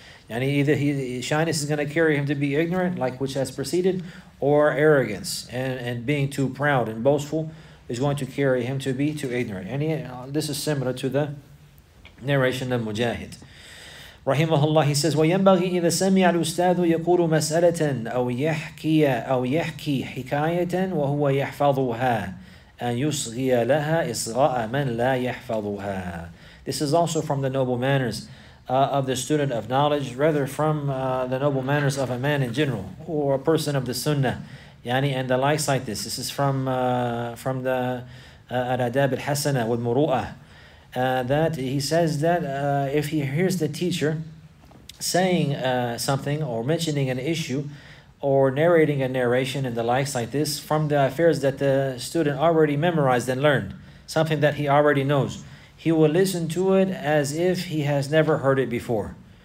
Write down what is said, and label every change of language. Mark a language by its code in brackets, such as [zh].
[en] And either shyness is going to carry him to be ignorant, like which has preceded, or arrogance and being too proud and boastful is going to carry him to be too ignorant. And this is similar to the narration of Mujahid. Rahimahullah, he says, [ar] وَيَنْبَغِي إِذَا سَمِعَ الْأُسْتَاذُ يَقُولُ مَسْأَلَةً أَوْ يَحْكِي حِكَايَةً وَهُوَ يَحْفَظُهَا أَنْ يُصْغِيَ لَهَا إِصْغَاءَ مَنْ لَا يَحْفَظُهَا. [en] This is also from the noble manners of the student of knowledge, rather from the noble manners of a man in general, or a person of the sunnah, yani, and the likes like this. This is from the Al-Adab al-Hasana with Muru'ah. That he says that if he hears the teacher saying something or mentioning an issue or narrating a narration and the likes like this from the affairs that the student already memorized and learned, something that he already knows, he will listen to it as if he has never heard it before.